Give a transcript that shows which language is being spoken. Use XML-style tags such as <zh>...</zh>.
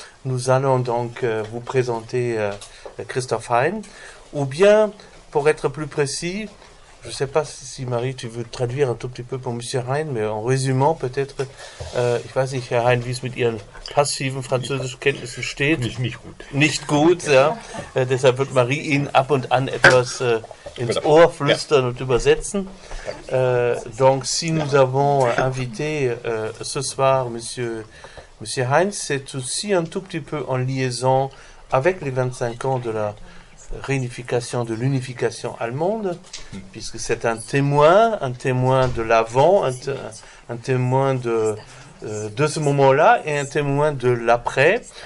<fr>Nous allons donc vous présenter Christophe Hein, ou bien, pour être plus précis, je ne sais pas si Marie, tu veux traduire un tout petit peu pour Monsieur Hein, mais en résumant peut-être, je ne sais pas si Herr Hein,</fr> <de>wie es mit Ihren passiven französischen Kenntnissen steht. Nicht gut. Nicht gut, ja. Deshalb wird Marie Ihnen ab und an etwas ins Ohr flüstern und übersetzen.</de> <fr>Donc, si nous avons invité ce soir Monsieur Hein, c'est aussi un tout petit peu en liaison avec les 25 ans de la réunification de l'unification allemande, puisque c'est un témoin de l'avant, un témoin de ce moment-là et un témoin de l'après.</fr>